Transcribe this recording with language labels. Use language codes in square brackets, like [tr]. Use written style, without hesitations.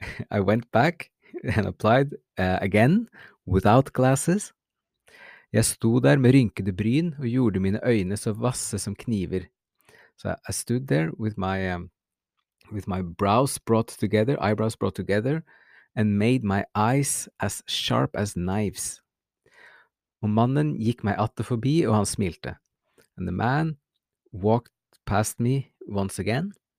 [en] I went back and applied again without glasses. [no] Jeg sto der med rynkede bryn og gjorde mine øyne så vasse som kniver. [en] So I stood there with my brows brought together, eyebrows brought together, and made my eyes as sharp as knives. [no] Og mannen gikk meg atter forbi, og han smilte. [en] And the man walked past me once again.